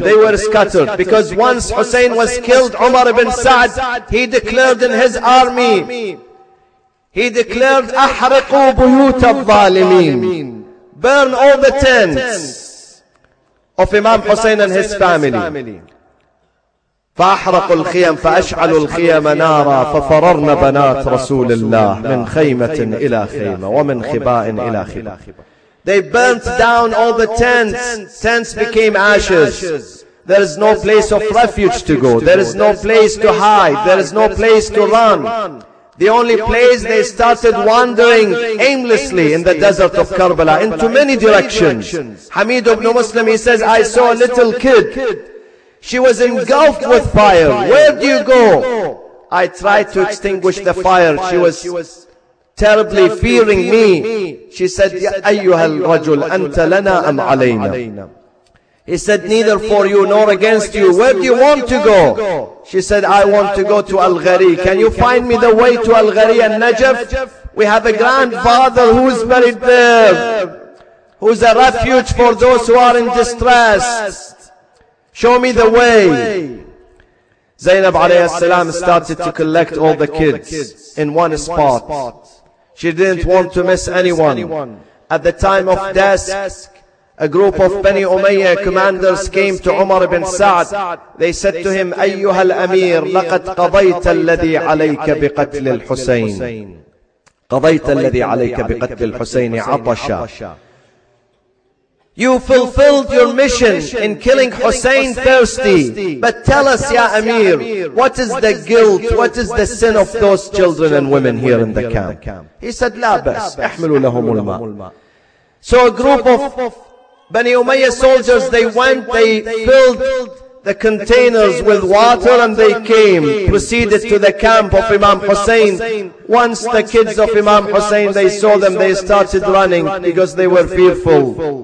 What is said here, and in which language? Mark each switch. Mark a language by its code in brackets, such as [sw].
[en] They were scattered because once Hussein was killed, Umar ibn Sa'd, he declared in his army, he declared, [ar] أحرقوا بيوت الظالمين. [en] Burn all the tents of Imam Hussein and his family. [ar] فأحرقوا الخيم فأشعلوا الخيم نارا ففررنا بنات رسول الله من خيمة إلى خيمة ومن خباء إلى خباء. [en] They burnt down all the tents. Tents became ashes. There is no place of refuge to go. There is no place to hide. There is no place to run. The only place they started wandering aimlessly in the desert of Karbala into many directions. Hamid ibn Muslim, he says, I saw a little kid. She was engulfed with fire. Where do you go? I tried to extinguish the fire. She was terribly fearing me. She said, [ar] أيها الرجل, أنت لنا أم علينا? [en] He said, neither for you nor against you. Where do you want to go? She said, I want to go to Al-Ghari. Can you find me the way to Al-Ghari and Najaf? We have a grandfather who is buried there, who is a refuge for those who are in distress. Show me the way. Zainab alayhi salam started to collect all the kids in one spot. She didn't want to miss anyone. At the time of desk, a group of Bani Umayyah commanders came to Umar ibn Sa'd. They said to him, [ar] أَيُّهَا الْأَمِيرُ لَقَدْ قَضَيْتَ الَّذِي عَلَيْكَ بِقَتْلِ الْحُسَيْنِ قَضَيْتَ الَّذِي عَلَيْكَ بِقَتْلِ الْحُسَيْنِ عَطَشَ. [en] You fulfilled your mission in killing Hussein thirsty. But tell us, Ya Amir, what is the guilt, what is the sin of those children and women here in the camp? He said, [ar] لَا بَسْ أَحْمِلُوا لَهُمُ الْمَا. [en] So a group of Bani Umayyah soldiers, they went, they filled the containers with water and they came, proceeded to the camp of Imam Hussein. Once the kids of Imam Hussein, they saw them, they started running because they were fearful.